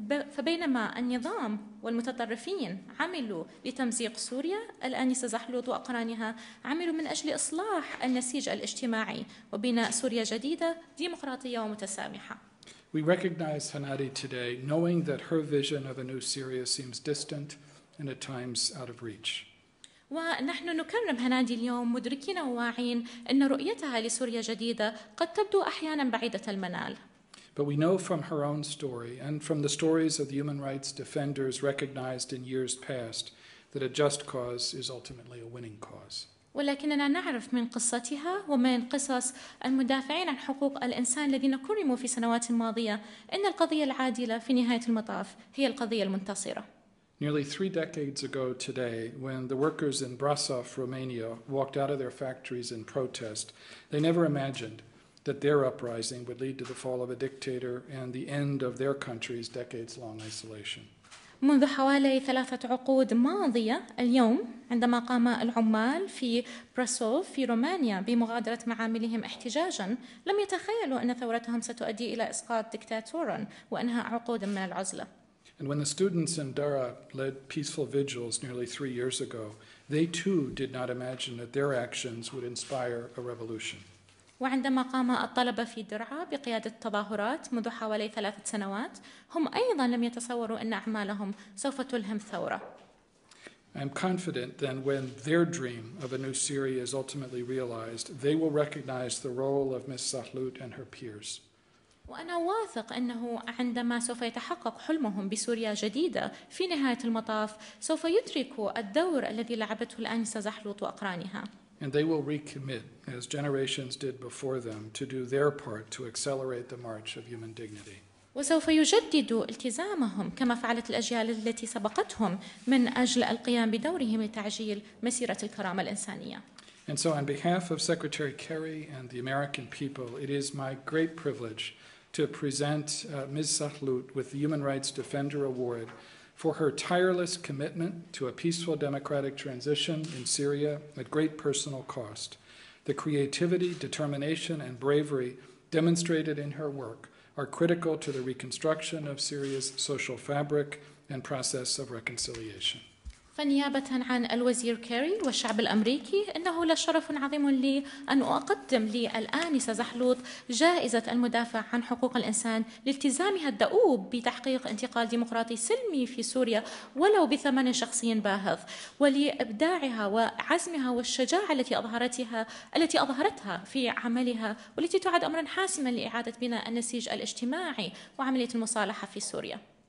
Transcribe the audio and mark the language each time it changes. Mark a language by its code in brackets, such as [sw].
[ar] فبينما النظام والمتطرفين عملوا لتمزيق سوريا، الآنسة زحلوت وأقرانها عملوا من أجل إصلاح النسيج الاجتماعي وبناء سوريا جديدة ديمقراطية ومتسامحة. [en] We recognize Hanadi today, knowing that her vision of a new Syria seems distant and at times out of reach. [ar] ونحن نكرم هنادي اليوم مدركين وواعين أن رؤيتها لسوريا جديدة قد تبدو أحياناً بعيدة المنال. [en] But we know from her own story and from the stories of the human rights defenders recognized in years past that a just cause is ultimately a winning cause. [ar] ولكننا نعرف من قصتها ومن قصص المدافعين عن حقوق الإنسان الذين كرموا في سنوات ماضية أن القضية العادلة في نهاية المطاف هي القضية المنتصرة. [en] Nearly three decades ago today, when the workers in Brasov, Romania, walked out of their factories in protest, they never imagined that their uprising would lead to the fall of a dictator and the end of their country's decades-long isolation. [ar] منذ حوالي ثلاثة عقود ماضية اليوم عندما قام العمال في براسوف في رومانيا بمغادرة معاملهم احتجاجا، لم يتخيلوا أن ثورتهم ستؤدي إلى إسقاط دكتاتورا وأنهاء عقودا من العزلة. [en] And when the students in Dara led peaceful vigils nearly 3 years ago, they too did not imagine that their actions would inspire a revolution. [ar] وعندما قام الطلبة في درعا بقيادة التظاهرات منذ حوالي ثلاثة سنوات، هم أيضاً لم يتصوروا أن أعمالهم سوف تلهم ثورة. [en] I'm confident that when their dream of a new Syria is ultimately realized, they will recognize the role of Ms. Zahlout and her peers. [ar] وأنا واثق أنه عندما سوف يتحقق حلمهم بسوريا جديدة في نهاية المطاف، سوف يدركوا الدور الذي لعبته الآنسة زحلوت وأقرانها. [en] And they will recommit, as generations did before them, to do their part to accelerate the march of human dignity. [ar] وسوف يجددوا التزامهم كما فعلت الأجيال التي سبقتهم من أجل القيام بدورهم لتعجيل مسيرة الكرامة الإنسانية. [en] And so on behalf of Secretary Kerry and the American people, it is my great privilege to present Ms. Zahlout with the Human Rights Defender Award for her tireless commitment to a peaceful democratic transition in Syria at great personal cost. The creativity, determination, and bravery demonstrated in her work are critical to the reconstruction of Syria's social fabric and process of reconciliation. [ar] فنيابة عن الوزير كيري والشعب الأمريكي، إنه لشرف عظيم لي أن أقدم للآنسة زحلوت جائزة المدافع عن حقوق الإنسان لالتزامها الدؤوب بتحقيق انتقال ديمقراطي سلمي في سوريا ولو بثمن شخصي باهظ، ولإبداعها وعزمها والشجاعة التي أظهرتها في عملها، والتي تعد أمرا حاسما لإعادة بناء النسيج الاجتماعي وعملية المصالحة في سوريا.